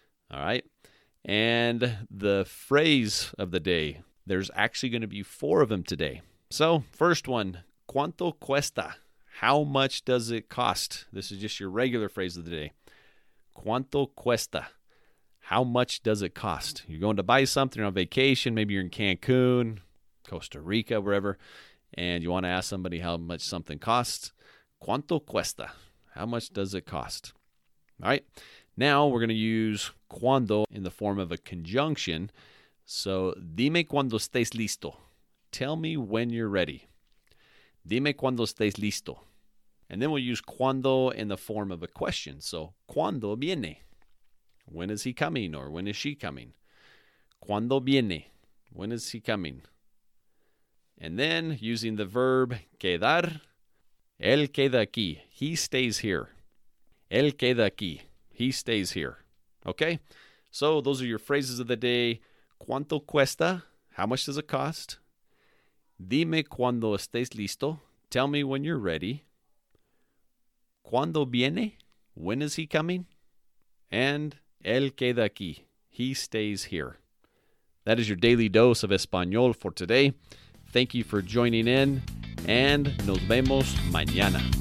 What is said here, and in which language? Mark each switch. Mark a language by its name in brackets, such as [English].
[English] All right, and the phrase of the day, there's actually going to be four of them today. So first one, [Spanish] ¿cuánto cuesta? [English] How much does it cost? This is just your regular phrase of the day. [Spanish] ¿Cuánto cuesta? [English] How much does it cost? You're going to buy something on vacation. Maybe you're in Cancun, Costa Rica, wherever, and you want to ask somebody how much something costs. [Spanish] ¿Cuánto cuesta? [English] How much does it cost? All right. Now we're going to use cuando in the form of a conjunction. [Spanish] So dime cuando estés listo. [English] Tell me when you're ready. [Spanish] Dime cuando estés listo. [English] And then we'll use cuando in the form of a question. So, [Spanish] ¿cuándo viene? [English] When is he coming or when is she coming? [Spanish] ¿Cuándo viene? [English] When is he coming? And then, using the verb quedar, [Spanish] él queda aquí. [English] He stays here. [Spanish] Él queda aquí. [English] He stays here. Okay? So, those are your phrases of the day. [Spanish] ¿Cuánto cuesta? [English] How much does it cost? [Spanish] Dime cuando estés listo. [English] Tell me when you're ready. [Spanish] ¿Cuándo viene? [English] When is he coming? And [Spanish] él queda aquí. [English] He stays here. That is your daily dose of Español for today. Thank you for joining in. And [Spanish] nos vemos mañana.